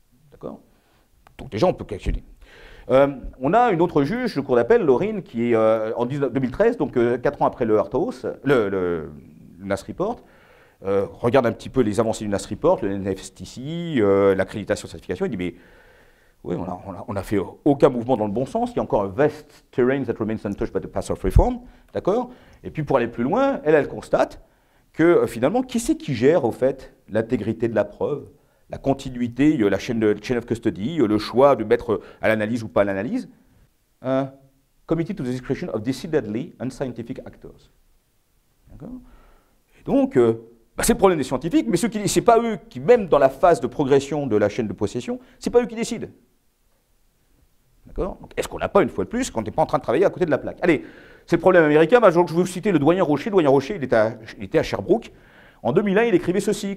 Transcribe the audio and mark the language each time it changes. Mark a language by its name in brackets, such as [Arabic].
[French] D'accord ? Donc déjà, on peut questionner. On a une autre juge, le cours d'appel, Laurine, qui est en 2013, donc 4 ans après le Hart House, le NAS Report, regarde un petit peu les avancées du NAS Report, le NFSTC, l'accréditation, certification, il dit, mais oui, on a fait aucun mouvement dans le bon sens, il y a encore un [English] vast terrain that remains untouched by the path of reform, [French] d'accord ? Et puis pour aller plus loin, elle constate que finalement, qui c'est qui gère, au fait, l'intégrité de la preuve, la continuité, la chain of custody, le choix de mettre à l'analyse ou pas à l'analyse ? [English] Committee to the discretion of decidedly unscientific actors. [French] D'accord ? Et donc, c'est le problème des scientifiques, mais ce n'est pas eux qui, même dans la phase de progression de la chaîne de possession, ce n'est pas eux qui décident. D'accord ? Donc, est-ce qu'on n'a pas, une fois de plus, quand on n'est pas en train de travailler à côté de la plaque ? Allez, c'est le problème américain, je vais vous citer le doyen Rocher. Le doyen Rocher, il était à Sherbrooke. En 2001, il écrivait ceci.